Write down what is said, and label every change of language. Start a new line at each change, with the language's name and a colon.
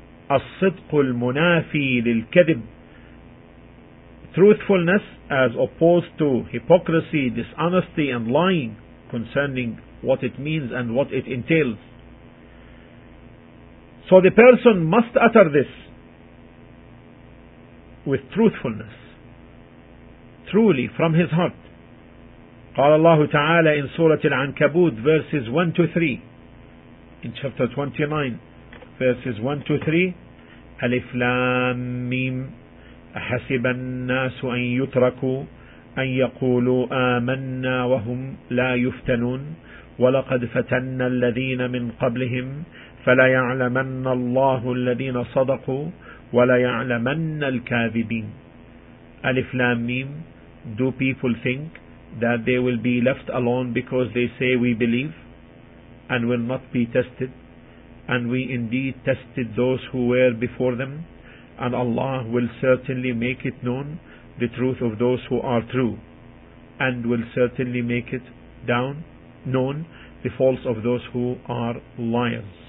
Arabic: الصِّدْقُ الْمُنَافِي لِلْكَذِبِ,
English: truthfulness as opposed to hypocrisy, dishonesty and lying concerning what it means and what it entails. So the person must utter this with truthfulness. truly from his heart.
Arabic: قال الله تعالى
English: in Surah Al-Ankabut verses 1 to 3
Arabic: in chapter 29 verses 1 to 3 أَلِفْ لَام مِيم أَحَسِبَ النَّاسُ أَن يُتْرَكُوا أَن يَقُولُوا آمَنَّا وَهُمْ لَا يُفْتَنُونَ وَلَقَدْ فَتَنَّ الَّذِينَ مِنْ قَبْلِهِمْ فَلَا يَعْلَمَنَّ اللَّهُ الَّذِينَ صَدَقُوا وَلَا يَعْلَمَنَّ الْكَاذِبِينَ أَلِفْ لَام مِيم.
English: Do people think that they will be left alone because they say we believe and will not be tested? And we indeed tested those who were before them, and Allah will certainly make it known the truth of those who are true, and will certainly make it down known the false of those who are liars.